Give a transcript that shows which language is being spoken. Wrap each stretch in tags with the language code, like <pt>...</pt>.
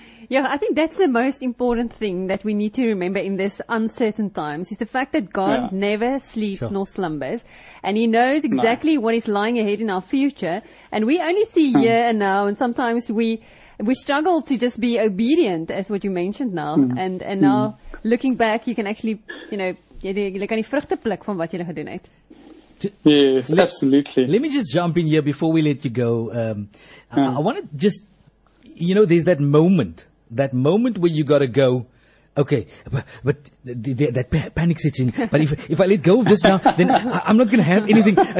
<en>Yeah, I think that's the most important thing that we need to remember in this uncertain times is the fact that God never sleeps nor slumbers, and he knows exactly what is lying ahead in our future. And we only see year and now, and sometimes we struggle to just be obedient, as what you mentioned now. And now looking back, you can actually,</en> <af>jy kan die vrugte pluk van wat jy gedoen het.</af> <en>Absolutely. Let me just jump in here before we let you go. I want to just... there's that moment where you got to go, okay, but that panic sets in. But if I let go of this now, then I'm not going to have anything.</en>